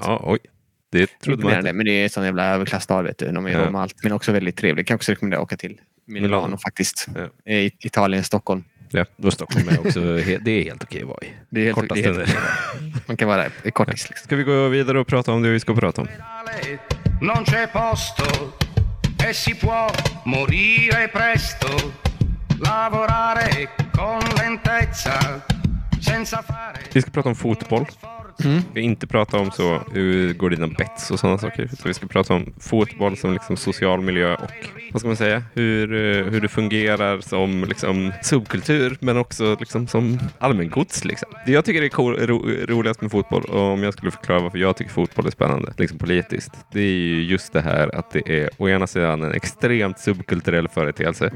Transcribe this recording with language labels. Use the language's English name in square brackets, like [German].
[Swedish] Jaha, oj. Det trodde man inte. Men det är en sån jävla överklassstad, vet du. De är om allt, men också väldigt trevligt. Kan också rekommendera att åka till Milano faktiskt. Ja. I Italien, Stockholm. Ja, då står jag med också. Det är helt okej att vara i. Det är helt okej. Man kan vara där i kortis. Ska vi gå vidare och prata om det vi ska prata om? [Italian] Non c'è posto e si può morire presto. Lavorare con lentezza senza fare. [Swedish] Vi ska prata om fotboll. Vi ska inte prata om så hur går dina bets och sådana saker. Så vi ska prata om fotboll som liksom social miljö och, vad ska man säga, hur det fungerar som liksom subkultur, men också liksom som allmängods. Liksom. Det jag tycker är roligast med fotboll, och om jag skulle förklara varför jag tycker fotboll är spännande, liksom politiskt, det är ju just det här att det är å ena sidan en extremt subkulturell företeelse.